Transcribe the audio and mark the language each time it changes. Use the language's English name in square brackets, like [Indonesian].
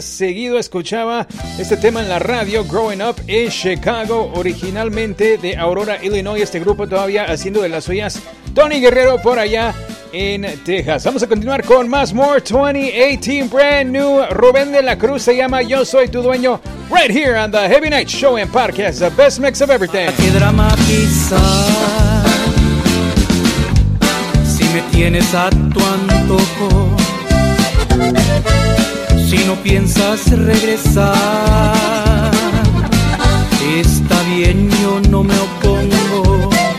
[Spanish] Seguido escuchaba este tema en la radio, Growing Up in Chicago, originalmente de Aurora, Illinois. Este grupo todavía haciendo de las suyas. Tony Guerrero por allá en Texas. Vamos a continuar con más [English] More 2018 Brand New. [Spanish] Rubén de la Cruz se llama Yo Soy Tu Dueño. [English] Right here on the Heavy Night Show and Podcast, the best mix of everything. [Spanish] ¿Qué drama pizza? Me tienes a tu antojo, si no piensas regresar, está bien, yo no me opongo.